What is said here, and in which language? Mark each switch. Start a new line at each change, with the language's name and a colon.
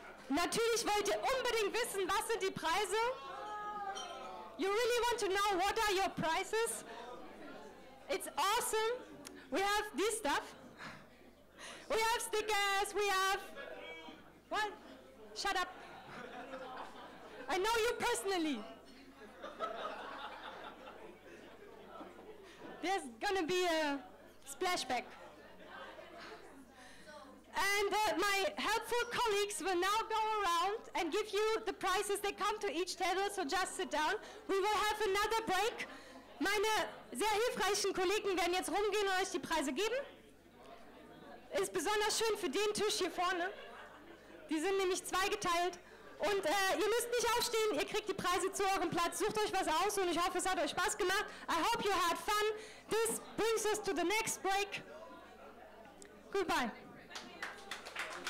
German: Und natürlich wollt ihr unbedingt wissen, was sind die Preise?
English: You really want to know what are your prizes? It's awesome. We have this stuff. We have stickers, we have... What? Shut up. I know you personally. There's gonna be a splashback. And my helpful colleagues will now go around and give you the prizes. They come to each table, so just sit down. We will have another break.
German: Meine sehr hilfreichen Kollegen werden jetzt rumgehen und euch die Preise geben. Ist besonders schön für den Tisch hier vorne. Die sind nämlich zweigeteilt. Und ihr müsst nicht aufstehen, ihr kriegt die Preise zu eurem Platz. Sucht euch was aus und ich hoffe, es hat euch Spaß gemacht.
English: I hope you had fun. This brings us to the next break. Goodbye. Thank you.